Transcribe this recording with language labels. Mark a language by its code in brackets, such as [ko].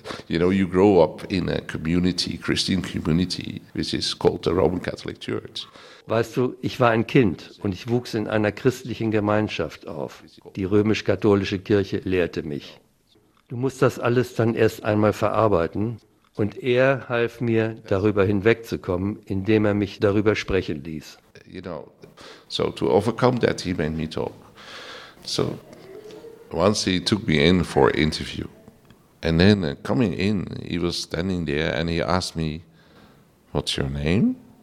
[en] You know, you grow up in a community, Christian community, which is called the Roman Catholic Church. [de] Weißt du, ich war ein Kind und ich wuchs in einer christlichen Gemeinschaft auf. Die römisch-katholische Kirche lehrte mich. Du musst das alles dann erst einmal verarbeiten. Und er half mir, darüber hinwegzukommen, indem er mich darüber sprechen ließ. [en] You know, so to overcome that, he made me talk. So once he took me in for an interview. And then coming in, he was standing there and he asked me, what's your name?